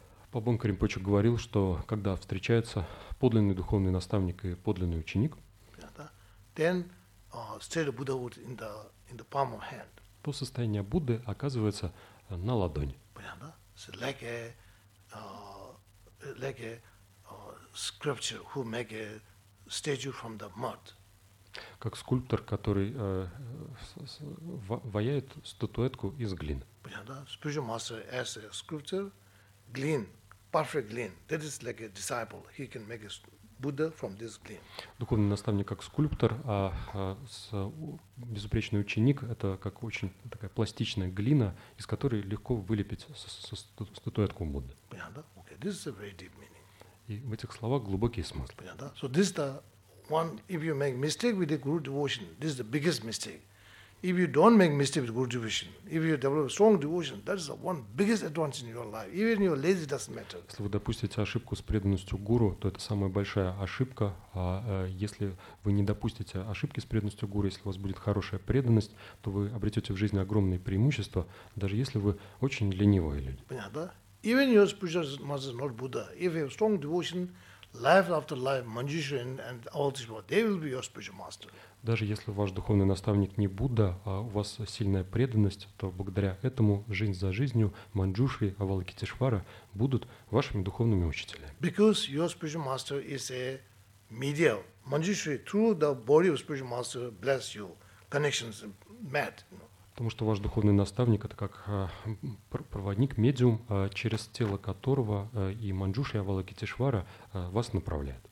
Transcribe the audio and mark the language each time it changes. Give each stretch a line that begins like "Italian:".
Russian: Пабонка Ринпоче говорил, что когда встречаются подлинный духовный наставник и подлинный ученик,
English: then state of Buddhahood in the palm of hand.
Russian: По состоянию Будды оказывается на ладони. Понятно?
English: So like a sculptor who make a statue from the mud.
Russian: Как скульптор, который ваяет статуэтку из глины. Понятно?
English: Spiritual master as a sculptor, glin, perfect glin. That is like a disciple. He can make a Buddha from this glin.
Russian: Духовный наставник как скульптор, а безупречный ученик — это как очень такая пластичная глина, из которой легко вылепить статуэтку Будды. Понятно?
English: Okay. This is a very deep meaning.
Russian: И в этих словах глубокий смысл. Понятно?
English: So this the one, if you make mistake with the guru devotion, this is the biggest mistake. If you don't make mistake with guru devotion, if you develop strong devotion, that is the one biggest advantage in your life. Even your lazy doesn't matter.
Russian: Если вы допустите ошибку с преданностью гуру, то это самая большая ошибка. А если вы не допустите ошибки с преданностью гуру, если у вас будет хорошая преданность, то вы обретете в жизни огромные преимущества, даже если вы очень ленивые люди. Понятно, да?
English: Even your spiritual master is not Buddha. If you have strong devotion, life after life, Manjushri and all these people, they will be your spiritual master.
Russian: Даже если ваш духовный наставник не Будда, а у вас сильная преданность, то благодаря этому жизнь за жизнью Манджушри, Авалокитешвара будут вашими духовными учителями.
English: Because your spiritual master is a medium. Manjushri, through the body of spiritual master, bless you. Connections met.
Russian: Потому что ваш духовный наставник — это как проводник, медиум, через тело которого и Манджуши, и Авалокитешвара вас направляют.